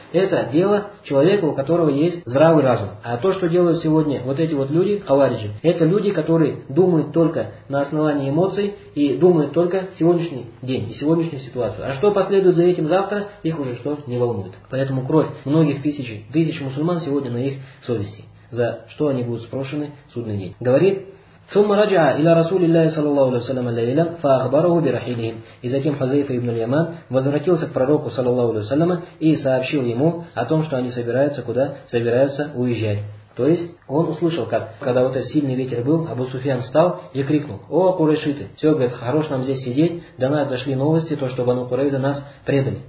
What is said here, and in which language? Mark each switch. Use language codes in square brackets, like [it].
[ru] Это дело человека, у которого есть здравый разум. А то, что делают сегодня вот эти вот люди, хавариджи, это люди, которые думают только на основании эмоций и думают только сегодняшний день и сегодняшнюю ситуацию. А что последует за этим завтра, их уже что? Не волнует. Поэтому кровь многих тысяч мусульман сегодня на их совести. За что они будут спрошены в судный день. Говорит: [ar] ثم رجع إلى رسول الله صلى الله عليه وسلم ليلا فأخبره برحيلهم. [ru] И затем Хузейфа ибн аль-Яман возвратился к пророку صلى الله عليه وسلم и сообщил ему о том, что они собираются куда? Собираются уезжать. То есть он услышал, как, когда вот этот сильный ветер был, Абу Суфьян встал и крикнул: «О, курайшиты! Все, говорит, хорош нам здесь сидеть, до нас дошли новости, то, что Бану Курайза нас предали.